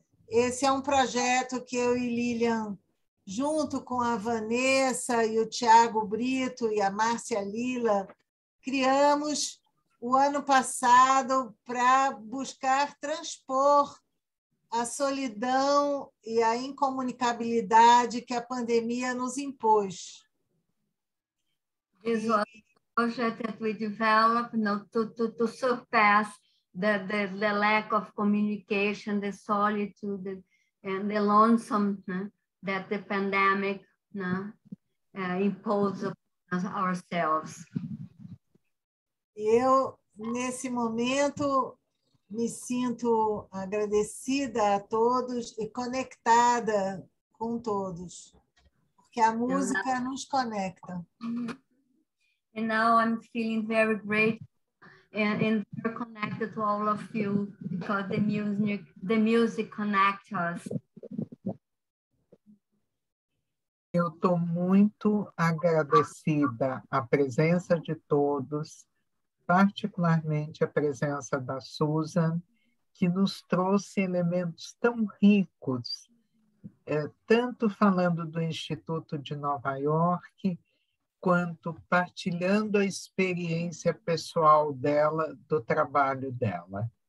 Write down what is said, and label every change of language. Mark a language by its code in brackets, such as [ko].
[pt] Esse é um projeto que eu e Lilian, junto com a Vanessa e o Tiago Brito e a Márcia Lila, criamos o ano passado para buscar transpor a solidão e a incomunicabilidade que a pandemia nos impôs. [en] This project that we developed, you know, to surpass the lack of communication, the solitude and the lonesome, you know, that the pandemic, you know, imposed upon ourselves. [pt] Eu, nesse momento, me sinto agradecida a todos e conectada com todos, porque a música nos conecta. [en] And now I'm feeling very grateful and very connected to all of you, because the music connects us. [pt] Eu estou muito agradecida à presença de todos, particularmente a presença da Susan, que nos trouxe elementos tão ricos, tanto falando do Instituto de Nova York, quanto partilhando a experiência pessoal dela, do trabalho dela.